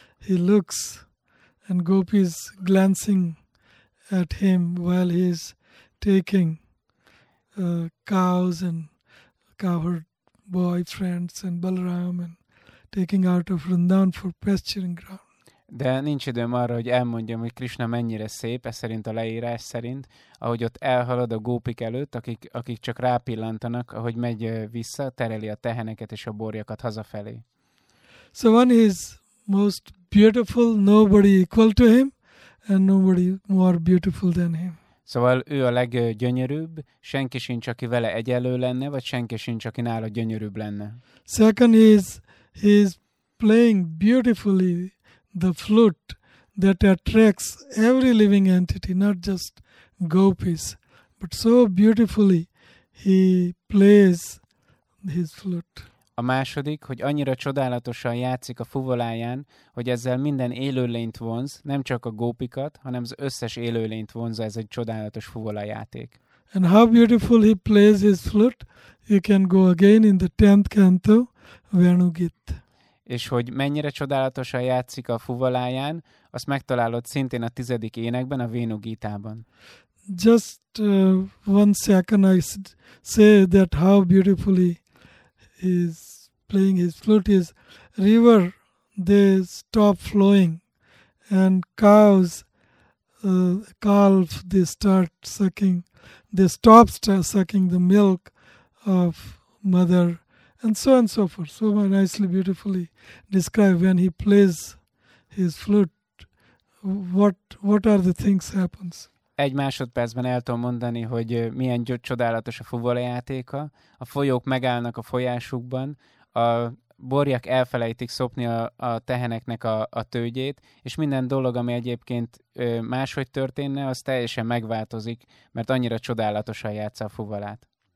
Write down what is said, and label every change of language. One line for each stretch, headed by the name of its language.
English: He looks and gopis glancing at him while he is taking cows and cowherd boyfriends and Balaram and taking out of Vrindavan for pasturing ground.
Hungarian: De nincs időm arra, hogy elmondjam, hogy Krishna mennyire szép, ez szerint a leírás szerint, ahogy ott elhalad a gópik előtt, akik csak rápillantanak, ahogy megy vissza, tereli a teheneket és a borjakat hazafelé.
English: So one is most beautiful, nobody equal to him, and nobody more beautiful than him.
Hungarian: Szóval ő a leggyönyörűbb, senki sincs, aki vele egyenlő lenne, vagy senki sincs, aki nála gyönyörűbb lenne.
English: Second is, he is playing beautifully the flute that attracts every living entity, not just gopis, but so beautifully he plays his flute.
Hungarian: A második, hogy annyira csodálatosan játszik a fuvoláján, hogy ezzel minden élőlényt vonz, nem csak a gópikat, hanem az összes élőlényt vonza ez egy csodálatos fuvolajáték.
English: And how beautiful he plays his flute, you can go again in the 10th canto, Venu Git.
Hungarian: És hogy mennyire csodálatosan játszik a fuvoláján, azt megtalálod szintén a 10. énekben, a Venu Gitában.
English: Just one second I say that how beautifully is playing his flute is river, they stop flowing and cows, calf, they start sucking, they stop sucking the milk of mother and so forth. So nicely, beautifully described when he plays his flute, what are the things happens.
Hungarian: Egy másodpercben el tudom mondani, hogy milyen csodálatos a fuvolajátéka. A folyók megállnak a folyásukban, a borjak elfelejtik szopni a teheneknek a tőgyét, és minden dolog, ami egyébként máshogy történne, az teljesen megváltozik, mert annyira csodálatosan játssza a fuvolát.